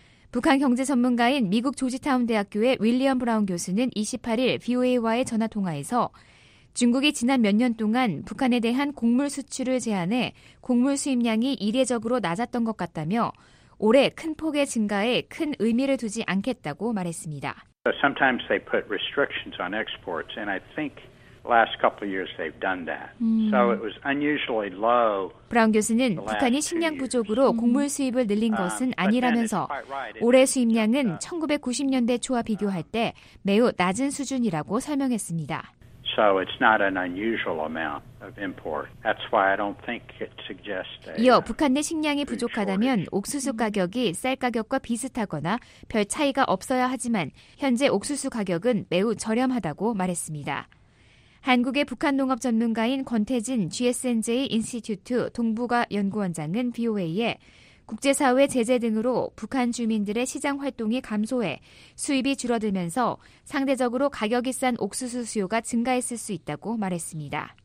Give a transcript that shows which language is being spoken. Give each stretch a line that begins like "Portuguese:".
Korean: 북한 경제 전문가인 미국 조지타운 대학교의 윌리엄 브라운 교수는 28일 VOA와의 전화통화에서 중국이 지난 몇 년 동안 북한에 대한 곡물 수출을 제한해 곡물 수입량이 이례적으로 낮았던 것 같다며 올해 큰 폭의 증가에 큰 의미를 두지 않겠다고 말했습니다.
English: Sometimes they put restrictions on exports, and I think last couple of years they've done that. So it was unusually low.
Korean: 브라운 교수는 북한이 식량 부족으로 곡물 수입을 늘린 것은 아니라면서 올해 수입량은 1990년대 초와 비교할 때 매우 낮은 수준이라고 설명했습니다.
English: So it's not an unusual amount of import. That's why I don't think it suggests.
Korean: 이어 북한 내 식량이 부족하다면 옥수수 가격이 쌀 가격과 비슷하거나 별 차이가 없어야 하지만 현재 옥수수 가격은 매우 저렴하다고 말했습니다. 한국의 북한 농업 전문가인 권태진 GSNJ 인스티튜트 동북아 연구원장은 VOA에 국제사회 제재 등으로 북한 주민들의 시장 활동이 감소해 수입이 줄어들면서 상대적으로 가격이 싼 옥수수 수요가 증가했을 수 있다고 말했습니다.